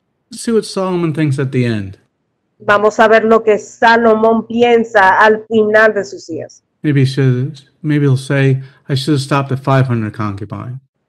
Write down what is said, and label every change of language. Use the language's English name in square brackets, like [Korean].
[English] Let's see what Solomon thinks at the end. [Spanish] Vamos a ver lo que Salomón piensa al final de sus días. [English] Maybe he'll say, I should have stopped at 500 concubines.